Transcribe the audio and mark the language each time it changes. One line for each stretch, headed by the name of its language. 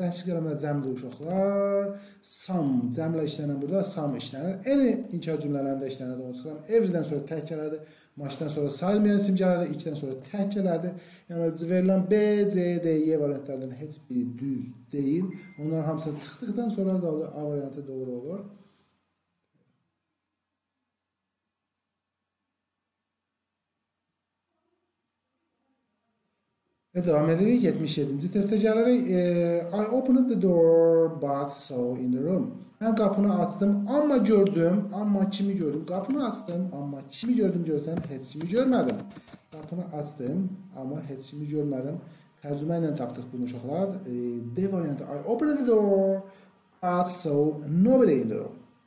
Azerbaijani: Rəngli qələmlər cəmdir uşaqlar. Sam cəmlə işlənir burada. Sam işlənir. Eyni inkar cümlələrində işlənir. Onu çıxıram. Evridən sonra tək gələrdi. Maçdan sonra sayılmayan isim gələrdi. İkidən sonra tək gələrdi. Yəni verilən B, C, D, Y variantlarının heç biri düz deyil. Onlar hamısı çıxdıqdan sonra da A variantı doğru olur. Və devam edirik. 77-ci testə gəlirik.
English: I opened the door but saw in the room.
Azerbaijani: Mən qapını açdım, amma gördüm, amma kimi gördüm. Qapını açdım, amma kimi gördüm görsən, heç kimi görmədim. Qapını açdım, amma heç kimi görmədim. Tərcümə ilə tapdıq bunu uşaqlar. D variantı.
English: I opened the door but saw nobody in the room.